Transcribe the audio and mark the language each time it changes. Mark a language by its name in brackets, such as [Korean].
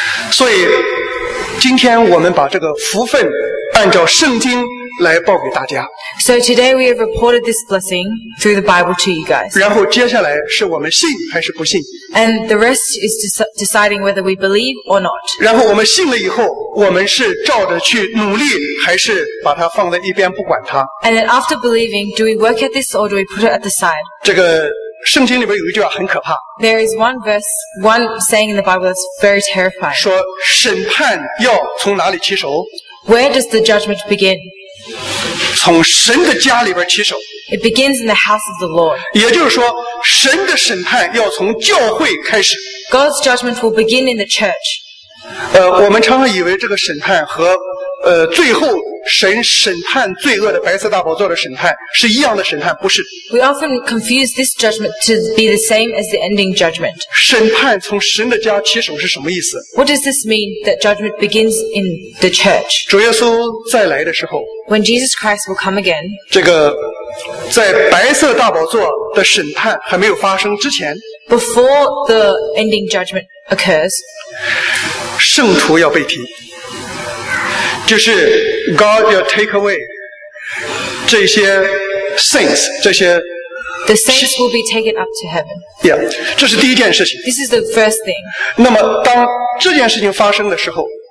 [Chinese] 所以今天我们把这个福分按照圣经来报给大家。 [English] So today we have reported this blessing through the Bible to you guys. [Chinese] 然后接下来是我们信还是不信。 [English] And the rest is deciding whether we believe or not. [Chinese] 然后我们信了以后，我们是照着去努力，还是把它放在一边不管它。 [English] And then after believing, do we work at this or do we put it at the side? [Chinese] 这个圣经里边有一句话很可怕。 [English] There is one verse, one saying in the Bible that's very terrifying. [Chinese] 说审判要从哪里起手？ [English] Where does the judgment begin? [Chinese] 从神的家里边起手。 [English] It begins in the house of the Lord. [Chinese] 也就是说，神的审判要从教会开始。 [English] God's judgment will begin in the church. [Chinese] 我们常常以为这个审判和最后神审判罪恶的白色大宝座的审判是一样的审判，不是。 [English] We often confuse this judgment to be the same as the ending judgment. [Chinese] 审判从神的家起手是什么意思？ [English] What does this mean that judgment begins in the church? [Chinese] 主耶稣再来的时候， [English] When Jesus Christ will come again, [Chinese] 这个在白色大宝座的审判还没有发生之前， [English] Before the ending judgment occurs, [Chinese] 圣徒要被提。就是 [English] God will take away [Chinese] 这些 [English] saints 这些 The saints will be taken up to heaven. [Chinese] Yeah, 这是第一件事情。 [English] This is the first thing. [Chinese] 那么当这件事情发生的时候，